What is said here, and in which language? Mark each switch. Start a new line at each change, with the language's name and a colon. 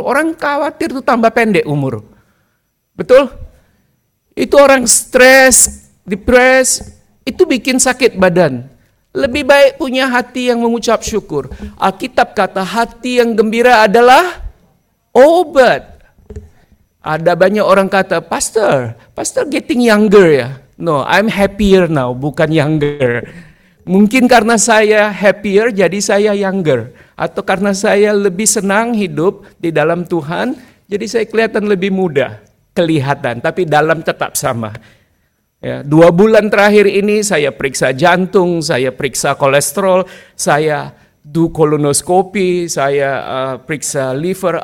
Indonesian: Orang khawatir itu tambah pendek umur. Betul? Itu orang stres, depres, itu bikin sakit badan. Lebih baik punya hati yang mengucap syukur. Alkitab kata hati yang gembira adalah obat. Ada banyak orang kata, Pastor
English: getting younger
Indonesian: ya.
English: No, I'm happier now,
Indonesian: bukan
English: younger.
Indonesian: Mungkin karena saya happier, jadi saya younger. Atau karena saya lebih senang hidup di dalam Tuhan, jadi saya kelihatan lebih muda. Kelihatan, tapi dalam tetap sama. Ya, 2 bulan terakhir ini saya periksa jantung, saya periksa kolesterol, saya do kolonoskopi, saya periksa liver.